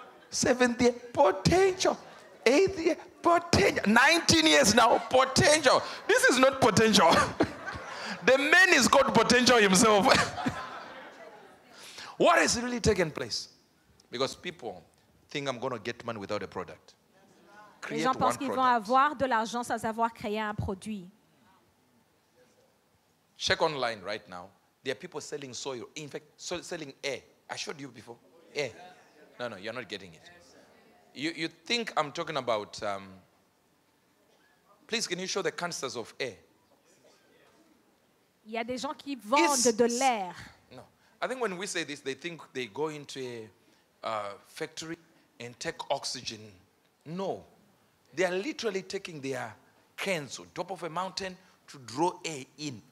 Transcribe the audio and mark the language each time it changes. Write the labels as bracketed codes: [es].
[en] Seventh year, potential. Eighth year, potential. 19 years now, potential. This is not potential. The man has got potential himself. What has really taken place? Because people think I'm going to get money without a product. [fr] Les gens pensent qu'ils vont avoir de l'argent sans avoir créé un produit. [en] Check online right now. There are people selling soil. In fact, selling air. I showed you before. Air. No, you're not getting it. You think I'm talking about... Please, can you show the canisters of air? [fr] Il y a des gens qui vendent de l'air. [en] No. I think when we say this, they think they go into a factory and take oxygen. No. They are literally taking their cans on top of a mountain to draw air in.